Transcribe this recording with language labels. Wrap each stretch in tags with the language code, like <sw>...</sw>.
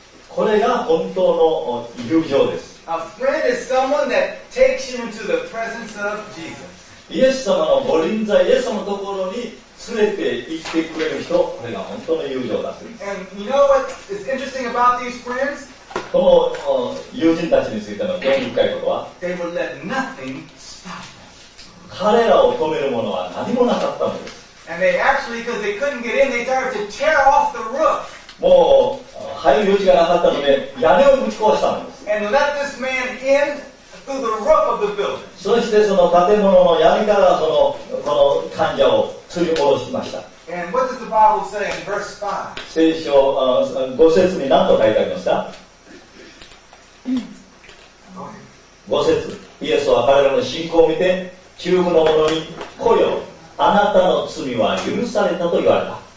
<ja>これが本当の友情です。</ja> <en>A friend is someone that takes you into the presence of Jesus.</en> <ja>イエス様の御臨在、イエス様のところに連れて行ってくれる人、これが本当の友情だ。</ja> <en>And you know what is interesting about these friends?</en> <ja>この友人たちについての興味深いことは、</ja> <en>They will let nothing stop them.</en> <ja>彼らを止めるものは何もなかったのです。</ja> <en>And they actually, because they couldn't get in, they started to tear off the roof.</en> <ja>もう入る余地がなかったので、屋根をぶち壊したのです。</ja> <en>And let this man in through the roof of the building.</en> <ja>そしてその建物の屋根からこの患者を吊り下ろしました。</ja> <en>And what does the Bible say in verse 5?</en> <ja>聖書五節に何と書いてありますか？五節。イエスは彼らの信仰を見て、中部の者に、来よ、あなたの罪は許されたと言われた。</ja>